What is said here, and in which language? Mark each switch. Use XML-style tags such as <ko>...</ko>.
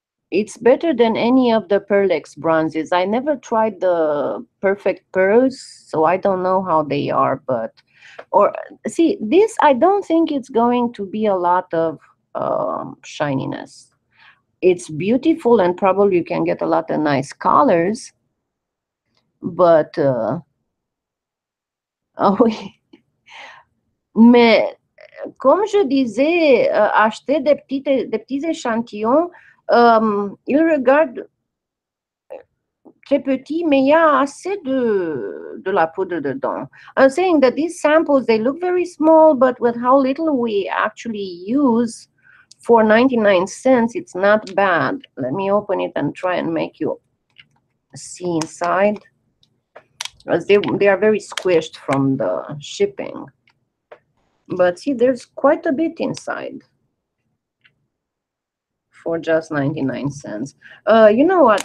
<en>It's better than any of the Perlex bronzes. I never tried the Perfect Pearls, so I don't know how they are, but, or see, this, I don't think it's going to be a lot of shininess. It's beautiful and probably you can get a lot of nice colors, but,</en> <fr>ah oui. Mais comme je disais, acheter des petits échantillons, ils regardent très petits, mais il y a assez de la poudre dedans.</fr> <en>I'm saying that these samples, they look very small, but with how little we actually use for 99 cents, it's not bad. Let me open it and try and make you see inside. As they are very squished from the shipping. But see, there's quite a bit inside for just 99 cents. You know what?</en>